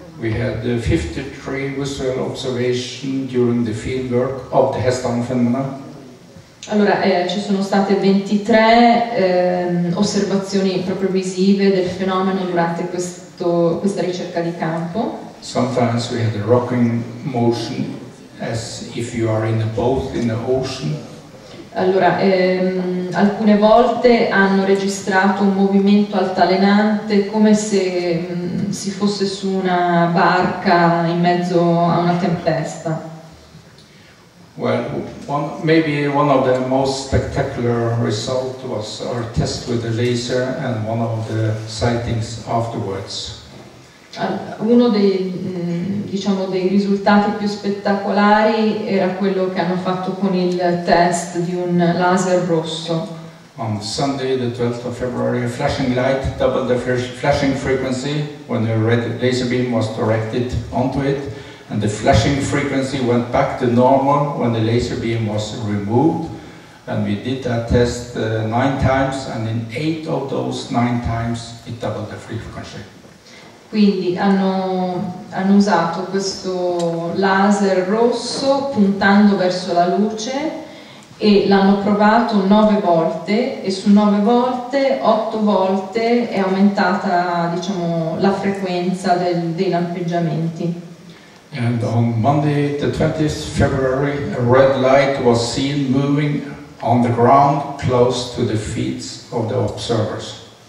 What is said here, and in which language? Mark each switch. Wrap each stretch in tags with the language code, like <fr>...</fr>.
<en>We had 53 visual observations during the fieldwork of the Hestelen phenomena.</en> <it>Allora, ci sono state 23 osservazioni proprio visive del fenomeno durante questa ricerca di campo.</it> <en>Sometimes we had a rocking motion as if you are in a boat in the ocean.</en> <it>Allora, alcune volte hanno registrato un movimento altalenante come se si fosse su una barca in mezzo a una tempesta.</it> <en>Well, maybe one of the most spectacular results was our test with the laser and one of the sightings afterwards.</en> <it>Uno dei, diciamo, dei risultati più spettacolari era quello che hanno fatto con il test di un laser rosso.</it> <en>On Sunday, the 12th of February, a flashing light doubled the flashing frequency when the red laser beam was directed onto it, and the flashing frequency went back to normal when the laser beam was removed. And we did that test 9 times, and in 8 of those 9 times, it doubled the frequency.</en> <it>Quindi hanno usato questo laser rosso puntando verso la luce e l'hanno provato 9 volte e su 9 volte, 8 volte è aumentata, diciamo, la frequenza dei lampeggiamenti.</it> <en>And on Monday, the 20th February, a red light was seen moving on the ground close to the feet of the observers.</en>